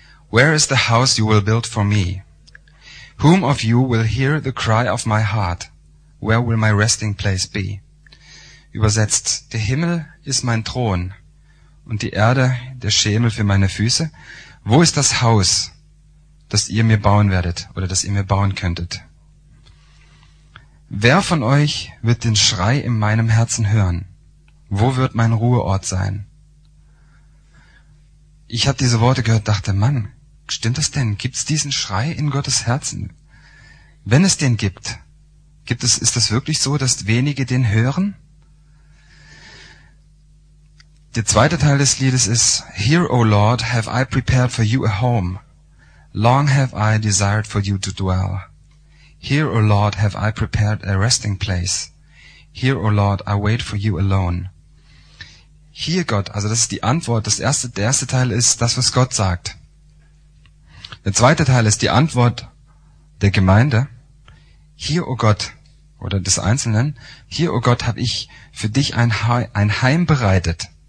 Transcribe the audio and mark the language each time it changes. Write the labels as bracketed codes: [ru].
[en] Where is the house you will build for me? Whom of you will hear the cry of my heart? Where will my resting place be? [de] Übersetzt, der Himmel ist mein Thron und die Erde der Schemel für meine Füße. Wo ist das Haus, das ihr mir bauen werdet oder das ihr mir bauen könntet? Wer von euch wird den Schrei in meinem Herzen hören? Wo wird mein Ruheort sein? Ich habe diese Worte gehört, dachte, Mann, stimmt das denn? Gibt's diesen Schrei in Gottes Herzen? Wenn es den gibt, ist das wirklich so, dass wenige den hören? Der zweite Teil des Liedes ist, [en] Here, O Lord, have I prepared for you a home. Long have I desired for you to dwell. Here, O Lord, have I prepared a resting place. Here, O Lord, I wait for you alone. [de] Hier, Gott, also das ist die Antwort. Der erste Teil ist das, was Gott sagt. Der zweite Teil ist die Antwort der Gemeinde. Hier, O Gott, oder des Einzelnen, hier, O Gott, habe ich für dich ein Heim bereitet.